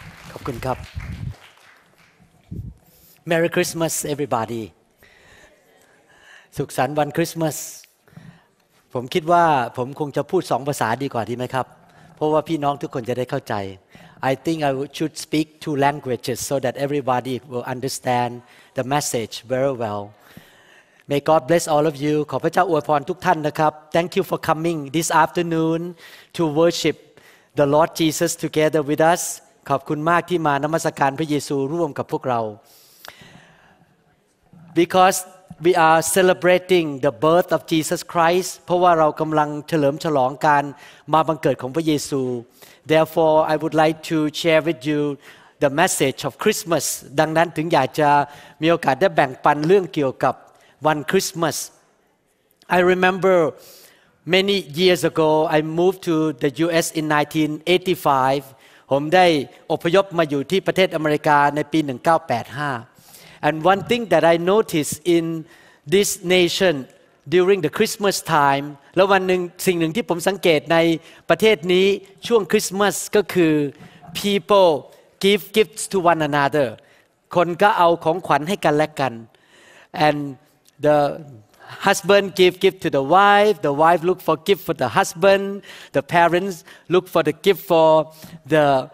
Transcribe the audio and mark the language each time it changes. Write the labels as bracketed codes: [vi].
[th] ขอบคุณครับ [en] Merry Christmas everybody [th] สุขสันต์วันคริสต์มาสผมคิดว่าผมคงจะพูด2ภาษาดีกว่าดีไหมครับเพราะว่าพี่น้องทุกคนจะได้เข้าใจ [en] I think I should speak two languages so that everybody will understand the message very well. May God bless all of you. [th] ขอพระเจ้าอวยพรทุกท่านนะครับ [en] Thank you for coming this afternoon to worship the Lord Jesus together with us. [th] ขอบคุณมากที่มานมัสการพระเยซูร่วมกับพวกเรา [en] Because we are celebrating the birth of Jesus Christ. [th] เพราะว่าเรากำลังเฉลิมฉลองการมาบังเกิดของพระเยซู [en] Therefore, I would like to share with you the message of Christmas. [th] ดังนั้นถึงอยากจะมีโอกาสได้แบ่งปันเรื่องเกี่ยวกับวันคริสต์มาส [en] I remember many years ago, I moved to the U.S. in 1985. [th] ผมได้อพยพมาอยู่ที่ประเทศอเมริกาในปี1985. [en] And one thing that I noticed in this nation during the Christmas time. [th] แล้ววันหนึ่งสิ่งหนึ่งที่ผมสังเกตในประเทศนี้ช่วงคริสต์มาสก็คือ [en] people give gifts to one another [th] คนก็เอาของขวัญให้กันและกัน [en] and the husband give gift to the wife look for gift for the husband the parents look for the gift for the